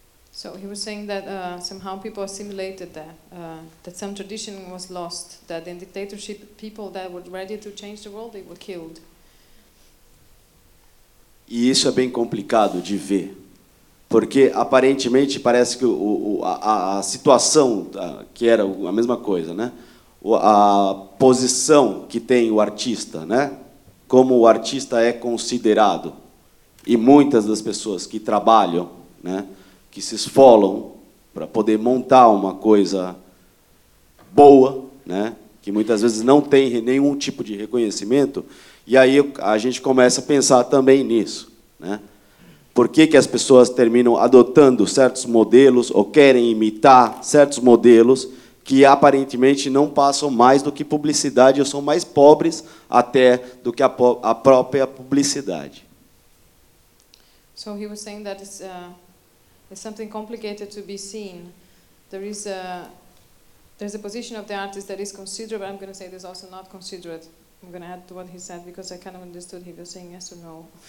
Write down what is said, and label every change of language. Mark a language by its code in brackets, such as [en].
[en] So he was saying that somehow people assimilated that, that some tradition was lost, that in dictatorship people that were ready to change the world, they were killed. [pt] E isso é bem complicado de ver, porque aparentemente parece que a situação, que era a mesma coisa, né? A posição que tem o artista, né? Como o artista é considerado, e muitas das pessoas que trabalham, né? Que se esfolam para poder montar uma coisa boa, né? Que muitas vezes não tem nenhum tipo de reconhecimento, e aí a gente começa a pensar também nisso. Né? Por que que as pessoas terminam adotando certos modelos ou querem imitar certos modelos que aparentemente não passam mais do que publicidade ou são mais pobres até do que a própria publicidade? [en] So he was saying that it's something complicated to be seen. There's a position of the artist that is considerate, but I'm going to say there's also not considerate. I'm going to add to what he said because I kind of understood he was saying yes or no.